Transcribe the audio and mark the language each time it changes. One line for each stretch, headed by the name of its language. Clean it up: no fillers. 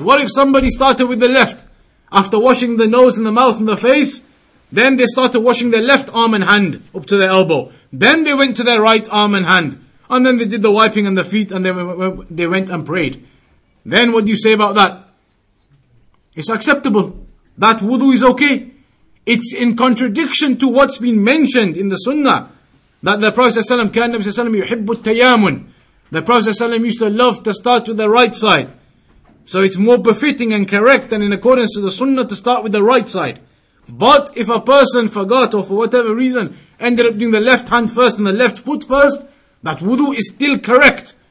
English: What if somebody started with the left? After washing the nose and the mouth and the face, then they started washing their left arm and hand up to their elbow. Then they went to their right arm and hand. And then they did the wiping on the feet and they went and prayed. Then what do you say about that? It's acceptable. That wudu is okay. It's in contradiction to what's been mentioned in the sunnah. That the Prophet
Arabic: ﷺ, كان النبي صلى الله عليه وسلم يحب التيامن.
English: The Prophet ﷺ used to love to start with the right side. So it's more befitting and correct and in accordance to the sunnah to start with the right side. But if a person forgot or for whatever reason ended up doing the left hand first and the left foot first, that wudu is still correct.